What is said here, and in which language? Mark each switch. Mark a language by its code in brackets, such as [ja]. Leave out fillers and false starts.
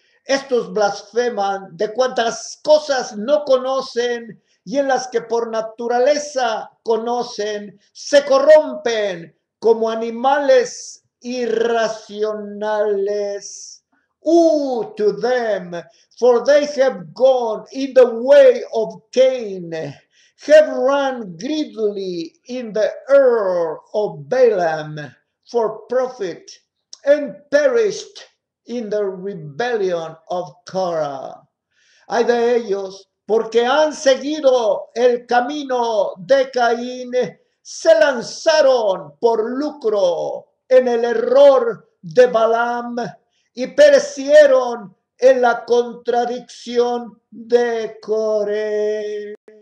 [es] Estos blasfeman de cuantas cosas no conocen, y en las que por naturaleza conocen, se corrompen como animales irracionales. [en] Ooh to them, for they have gone in the way of Cain, have run greedily in the error of Balaam for profit, and perished in the rebellion of Korah. [es] Ay de ellos, porque han seguido el camino de Caín, se lanzaron por lucro en el error de Balaam, y perecieron en la contradicción de Coré.